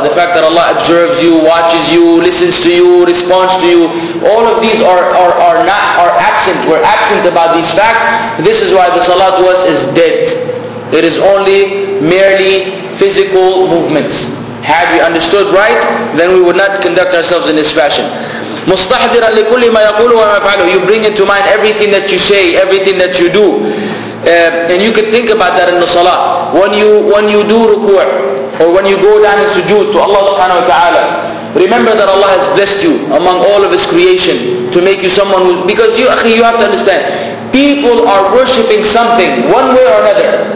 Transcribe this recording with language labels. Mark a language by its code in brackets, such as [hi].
[en] The fact that Allah observes you, watches you, listens to you, responds to you. All of these are absent. We're absent about these facts. This is why the salah to us is dead. It is only merely physical movements. Had we understood right, then we would not conduct ourselves in this fashion. [ar] مستحضرا لكل ما يقول وما يفعله. [en] You bring into mind everything that you say, everything that you do. And you can think about that in the salah. When you do ruku', or when you go down in sujood to Allah subhanahu wa ta'ala, remember that Allah has blessed you among all of His creation to make you someone who... Because you, akhi, you have to understand, people are worshipping something one way or another.